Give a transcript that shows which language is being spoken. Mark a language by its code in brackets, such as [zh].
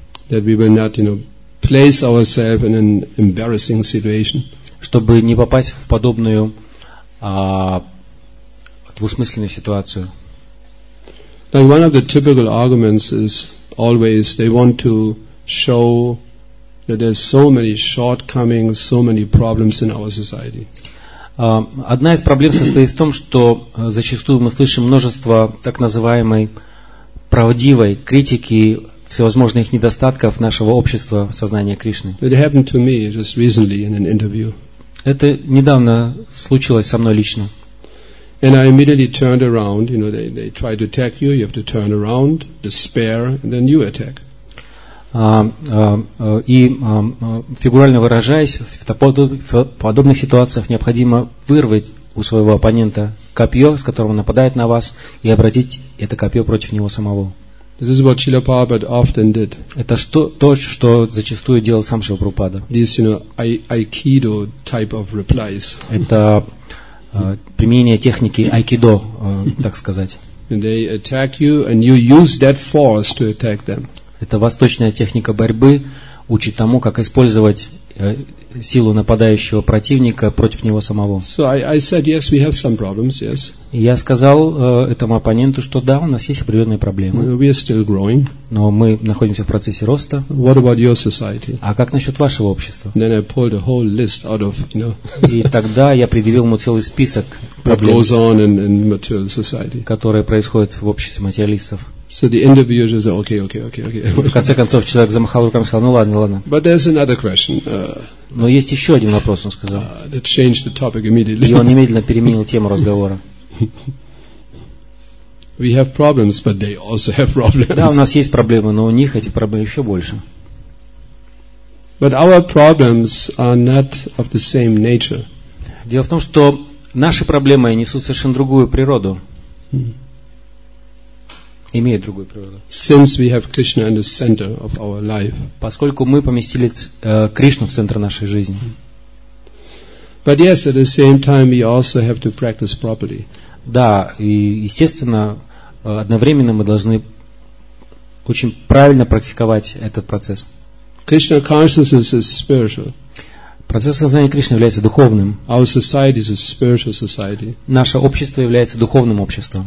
[en] That we will not, you know, place ourselves in an embarrassing situation. [ru] Чтобы не попасть в подобную двусмысленную ситуацию. [en] Now, one of the typical arguments is always they want to show that there's so many shortcomings, so many problems in our society. [ru] Одна из проблем состоит в том, что зачастую мы слышим множество так называемой правдивой критики всевозможных недостатков нашего общества сознания Кришны. [en] It happened to me just recently in an interview. [ru] Это недавно случилось со мной лично. [en] And I immediately turned around, you know, they try to attack you, you have to turn around, despair, and then you attack. [ru] Фигурально выражаясь, в подобных ситуациях необходимо вырвать у своего оппонента копье, с которым он нападает на вас, и обратить это копье против него самого. [en] This is what Srila Prabhupada often did. [ru] Это то, что зачастую делал сам Шрила Прабхупада. [en] This, you know, aikido type of replies. [ru] Это применение техники айкидо, так сказать. [en] And they attack you, and you use that force to attack them. [ru] Это восточная техника борьбы, учит тому, как использовать силу нападающего противника против него самого. [en] So I said, yes, we have some problems, yes. [ru] Я сказал этому оппоненту, что да, у нас есть определенные проблемы. [en] We are still growing. [ru] Но мы находимся в процессе роста. [en] What about your society? [ru] А как насчет вашего общества? [en] Then I pulled a whole list out of, you know. [ru] И тогда я предъявил ему целый список проблем, [en] what goes on in material society. [ru] Которые происходят в обществе материалистов. [en] So the interviewer just said, okay. [ru] В конце концов человек замахал руками и сказал, ну ладно, ладно. [en] But there's another question. [ru] Но есть еще один вопрос, он сказал. [en] That changed the topic immediately. [ru] И он немедленно переменил тему разговора. [en] We have problems, but they also have problems. [ru] Да, у нас есть проблемы, но у них эти проблемы еще больше. [en] But our problems are not of the same nature. [ru] Дело в том, что наши проблемы несут совершенно другую природу. Имеют другую природу. [en] Since we have Krishna in the center of our life. [ru] Поскольку мы поместили Кришну в центр нашей жизни. [en] But yes, at the same time, we also have to practice properly. [ru] Да, и естественно, одновременно мы должны очень правильно практиковать этот процесс. [en] Krishna consciousness is spiritual. [ru] Процесс сознания Кришны является духовным. [en] Our society is a spiritual society. [ru] Наше общество является духовным обществом.